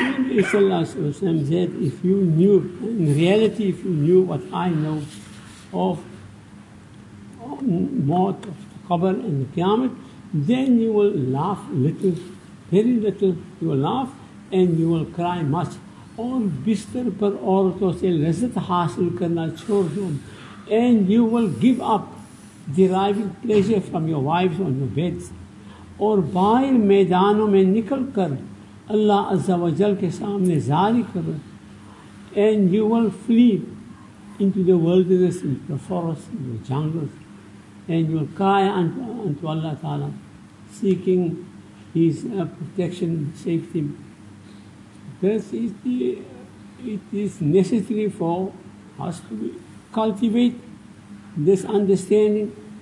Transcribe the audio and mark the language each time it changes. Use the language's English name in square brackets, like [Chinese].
[English] Even Allah said, if you knew, in reality, if you knew what I know of maut, of the qabr and the qiyamah, then you will laugh little, very little. You will laugh and you will cry much. [Urdu] Or bistar par aurto se lazat hasil karna chhod do. [English] And you will give up deriving pleasure from your wives on your beds. [Urdu] اور باہر میدانوں میں نکل کر اللہ عز و جل کے سامنے زاری کرو. [English] And you will flee into the wilderness, into the forest, into the jungles. And you will cry unto Allah Ta'ala, seeking His protection, safety. It is necessary for us to cultivate this understanding.